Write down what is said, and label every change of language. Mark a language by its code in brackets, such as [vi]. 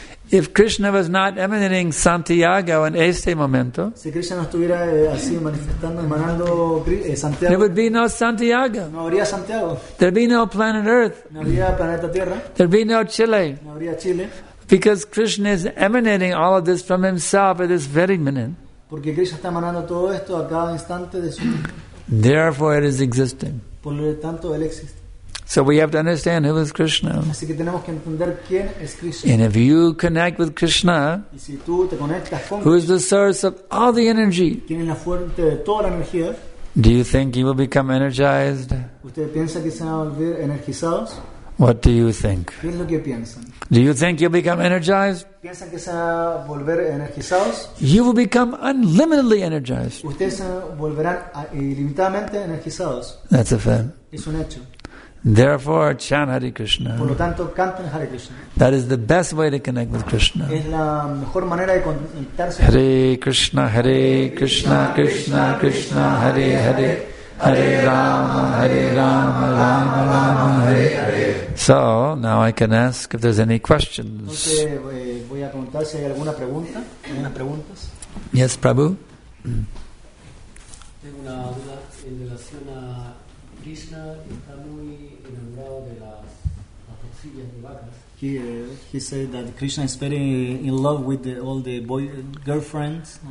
[en] If Krishna was not emanating Santiago in [es] este momento, [en] there would be no Santiago. There'd be no planet Earth. There'd be no Chile. Because Krishna is emanating all of this from himself at this very minute. [es] Porque Krishna está emanando todo esto a cada instante de su vida. [en] Therefore it is existing. [es] Por lo tanto, él existe. [en] So we have to understand who is Krishna. [es] Así que tenemos que entender quién es Krishna. [en] And if you connect with Krishna, [es] y si tú te conectas con [en] who is the source of all the energy, [es] quién es la fuente de toda la energía, [en] do you think you will become energized? [es] ¿Usted piensa que se van a volver energizados? [en] What do you think? [es] ¿Qué es lo que piensan? [en] Do you think you'll become energized? [es] ¿Piensan que se van a volver energizados? [en] You will become unlimitedly energized. [es] Ustedes se volverán ilimitadamente energizados. [en] That's a fact. [es] Es un hecho. [en] Therefore, chant Hare Krishna. [es] Por lo tanto, canten Hare Krishna. [en] That is the best way to connect with Krishna. [es] Es la mejor manera de conectarse. [sa] Hare Krishna, Hare Krishna, Krishna Krishna, Hare Hare. Hare Rama, Hare Rama, Rama Rama, Hare Hare. [en] So, now I can ask if there's any questions. [es] Voy a preguntar si hay alguna pregunta, algunas preguntas. [en] Yes, Prabhu. [es] Tengo una duda en relación a Krishna, que está muy enamorado de las tortillas de vacas. [en] He said that Krishna is very in love with all the boy girlfriends.